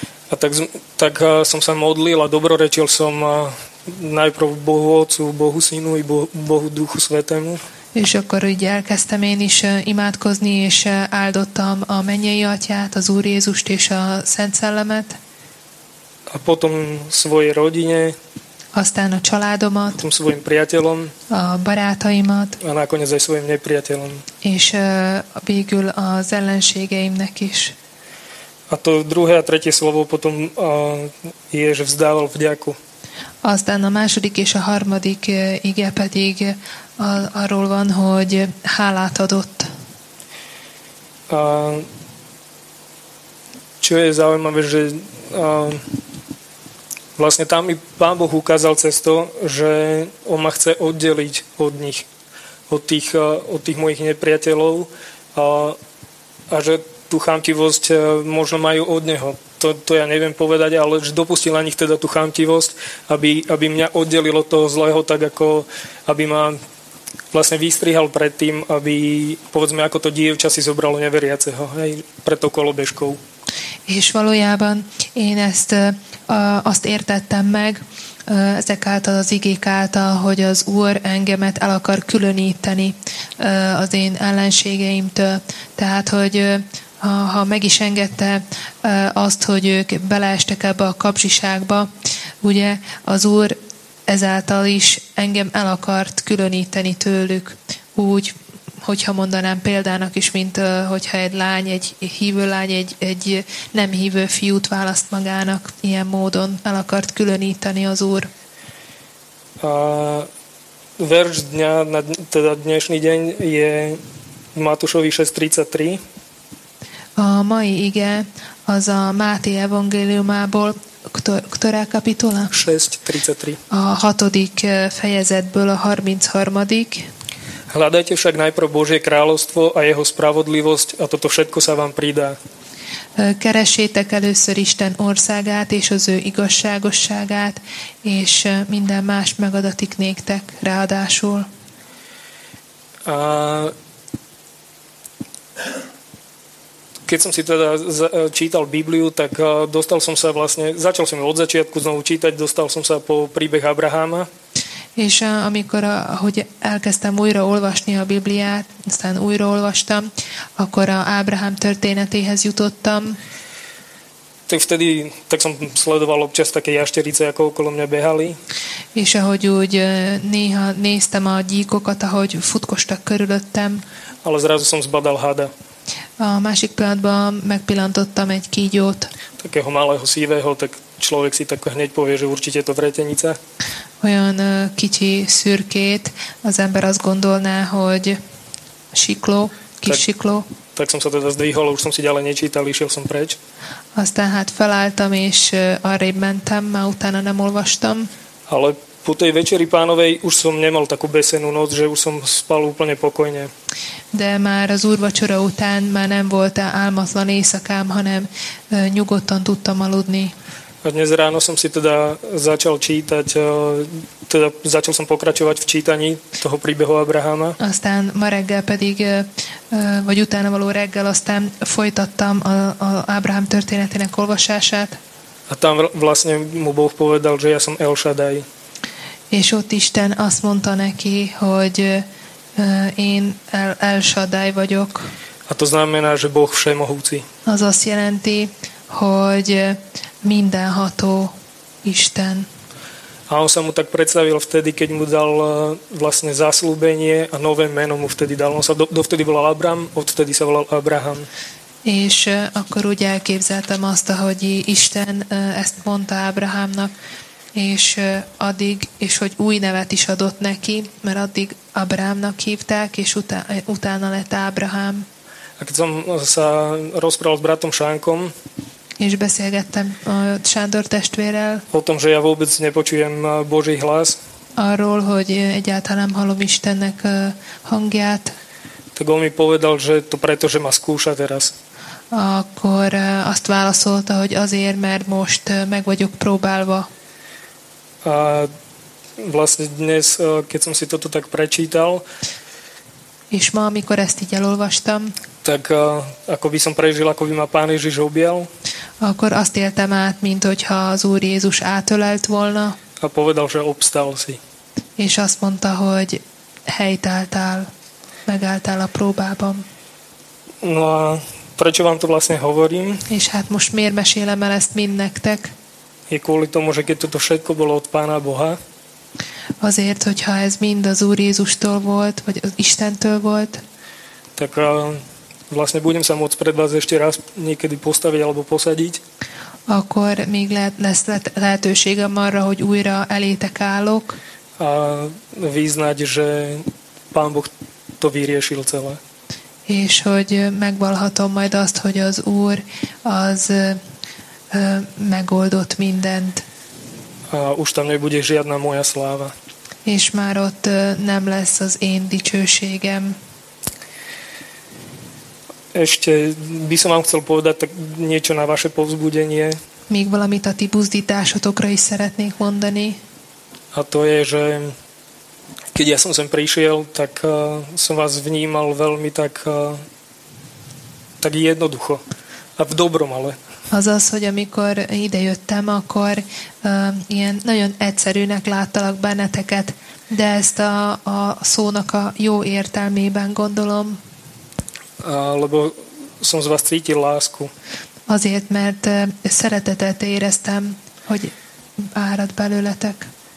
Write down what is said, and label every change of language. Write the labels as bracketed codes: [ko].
[sk] A tak som sa modlil a dobrorečil som najprv Bohu Otcu, Bohu Synu i Bohu Duchu Svetému. [hu] És akkor így elkezdtem én is imádkozni, és áldottam a mennyei atyát, az Úr Jézust és a Szent Szellemet. [sk] A potom svojej rodine. [hu] Aztán a családomat. [sk] Potom svojim priateľom. [hu] A barátaimat. [sk] A nakoniec aj svojim nepriateľom. [hu] És végül az ellenségeimnek is. [sk] A to druhé a tretie slovo potom je, že vzdával vďaku. [hu] Aztán a második és a harmadik ige pedig arról van, hogy hálát adott. [sk] A čo je zaujímavé, že vlastne tam mi Pán Boh ukázal cez to, že on ma chce oddeliť od nich, od tých mojich nepriateľov a že tú chamtivosť možno majú od neho. To ja neviem povedať, ale že dopustil na nich teda tú chamtivosť, aby mňa oddelilo toho zlého, tak ako aby ma vlastne vystrihal pred tým, aby povedzme, ako to dievča si zobralo neveriaceho, hej, pred to kolobežkou. [hu] És valójában én ezt azt értettem meg ezek által, az igék által, hogy az Úr engemet el akar különíteni az én ellenségeimtől. Tehát, hogy ha meg is engedte azt, hogy ők beleestek ebbe a kapzsiságba, ugye az Úr ezáltal is engem el akart különíteni tőlük. Úgy, hogyha mondanám példának is, mint hogyha egy hívő lány egy nem hívő fiút választ magának, ilyen módon el akart különíteni az Úr. [sk] A verš dňa, teda dnešný deň je v Matúšovi 6.33. [hu] A mai ige az a Máté evangéliumából, [sk] ktorá kapitola? 6.33. [hu] A hatodik fejezetből a 33. [sk] Hľadajte však najprv Božie kráľovstvo a jeho spravodlivosť a toto všetko sa vám pridá. [hu] Keresétek először Isten országát és az ő igazságosságát, és minden más megadatik néktek ráadásul. [sk] Keď som si teda čítal Bibliu, tak dostal som sa vlastne, začal som od začiatku znovu čítať, dostal som sa po príbeh Abraháma. [hu] És amikor, ahogy elkezdtem újra olvasni a Bibliát, aztán újra olvastam, akkor a Ábrahám történetéhez jutottam. [sk] Tak vtedy, tak som sledoval občas také jašterice, ako okolo mňa behali. [hu] És ahogy úgy néha néztem a gyíkokat, ahogy futkostak körülöttem. [sk] Ale zrazu som zbadal hada. [hu] A másik pillanatban megpillantottam egy kígyót. [sk] Takého malého szívého, tak človek si tak hneď povie, že určite to vretenica. [hu] Olyan kicsi szürkét, az ember azt gondolná, hogy sikló, kis tak, sikló. [sk] Tak som sa teda zdvihol, už som si ďalej nečítal, išiel som preč. [hu] Aztán hát felálltam, és arrébb mentem, a utána nem olvastam. [sk] Ale po tej večeri pánovej už som nemal takú besenú noc, že už som spal úplne pokojne. [hu] De már az úrvacsora után már nem volt álmatlan éjszakám, hanem nyugodtan tudtam aludni. [sk] A dnes ráno som si teda začal čítať, teda začal som pokračovať v čítaní toho príbehu Abraháma. [hu] Aztán ma reggel pedig, vagy utána való reggel, aztán folytattam a Abraham történetének olvasását. [sk] A tam vlastne mu Boh povedal, že ja som El Shaddai. [hu] És ott Isten azt mondta neki, hogy én El Shaddai vagyok. [sk] A to znamená, že Boh všemohúci. [hu] Az azt jelenti, hogy mindenható Isten. [sk] A on sa mu tak predstavil vtedy, keď mu dal vlastne zasľúbenie a nové meno mu vtedy dal. On sa dovtedy volal Abram, odvtedy sa volal Abraham. [hu] És akkor úgy elképzeltem azt, hogy Isten ezt mondta Abrahamnak, és addig, és hogy új nevet is adott neki, mert addig Abrahamnak hívták, és utána lett Abraham. [sk] A keď som sa rozprával s bratom Sánkom, [hu] és beszélgettem a Sándor testvérrel, [sk] o tom, že ja vôbec nepočujem Boží hlas, [hu] arról, hogy egyáltalán hallom Istennek hangját, [sk] tak on mi povedal, že to preto, že ma skúša teraz. [hu] Akkor azt válaszolta, hogy azért, mert most meg vagyok próbálva. [sk] A vlastne dnes, keď som si toto tak prečítal, [hu] és ma, amikor ezt így elolvastam, [sk] tak ako by som prežil, ako by ma Pán Ježiš objal, [hu] akkor azt éltem át, mint hogyha az Úr Jézus átölelt volna, [sk] a povedal, že obstál si, [hu] és azt mondta, hogy helytáltál, megálltál a próbában. [sk] No a prečo vám to vlastne hovorím? [hu] És hát most miért mesélem el ezt mind nektek? [sk] Je kvôli tomu, že keď toto všetko bolo od Pána Boha, [hu] azért, hogyha ez mind az Úr Jézustól volt, vagy az Istentől volt, [sk] tak vlastne budem sa môcť pred vás ešte raz niekedy postaviť alebo posadiť, [hu] akkor még lesz lehetőségem arra, hogy újra elétek állok, [sk] a vyznať, že Pán Boh to vyriešil celé, [hu] és hogy megvalhatom majd azt, hogy az Úr az megoldott mindent. [sk] A už tam nebude žiadna moja sláva. [hu] És már ott nem lesz az én dicsőségem. [sk] Ešte by som vám chcel povedať tak niečo na vaše povzbudenie. [hu] Még valamit a ti buzdításotokra is szeretnék mondani. [sk] A to je, že keď ja som sem prišiel, tak som vás vnímal veľmi tak tak jednoducho. A v dobrom ale. [hu] Azaz, hogy amikor idejöttem, akkor ilyen nagyon egyszerűnek láttalak benneteket, de ezt a szónak a jó értelmében gondolom. [sk] Lebo som z vás cítil lásku. [hu] Azért, mert szeretetet éreztem, hogy árad belőletek.